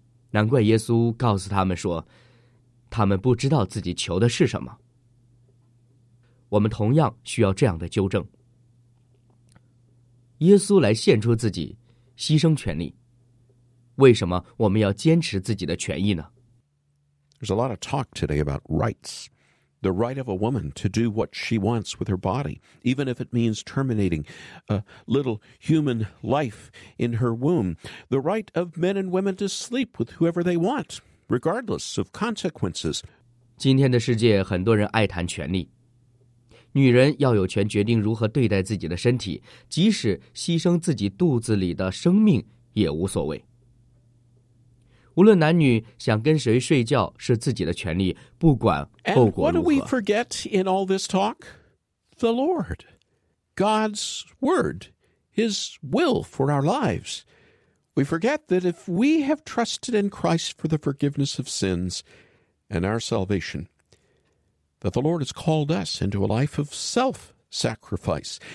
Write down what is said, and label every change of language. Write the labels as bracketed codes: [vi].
[zh] 难怪耶稣告诉他们说，他们不知道自己求的是什么。我们同样需要这样的纠正。耶稣来献出自己，牺牲权利。为什么我们要坚持自己的权益呢？ [en] There's a lot of talk today about rights. The right of a woman to do what she wants with her body, even if it means terminating a little human life in her womb. The right of men and women to sleep with whoever they want, regardless of consequences. [zh] 今天的世界很多人爱谈权利。女人要有权决定如何对待自己的身体，即使牺牲自己肚子里的生命也无所谓。无论男女想跟谁睡觉是自己的权利，不管后果如何。 [en] And what do we forget in all this talk? The Lord, God's word, His will for our lives. We forget that if we have trusted in Christ for the forgiveness of sins and our salvation,that the Lord has called us into a life of self-sacrifice.